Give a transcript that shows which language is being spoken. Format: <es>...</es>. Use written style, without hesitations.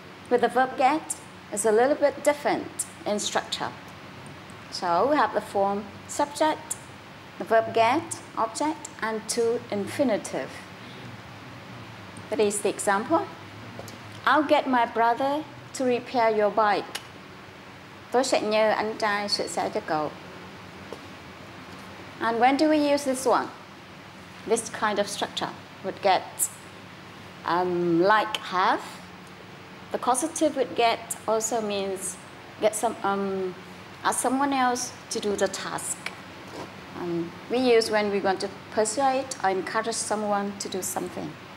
<en>With the verb get, it's a little bit different in structure. So we have the form subject, the verb get, object, and to infinitive. That is the example. I'll get my brother to repair your bike.</en> <vi>Tôi sẽ nhờ anh trai sửa xe cho cậu.</vi> <en>And when do we use this one? This kind of structure would get like have. The causative would get also means get some ask someone else to do the task. We use when we want to persuade or encourage someone to do something.</en>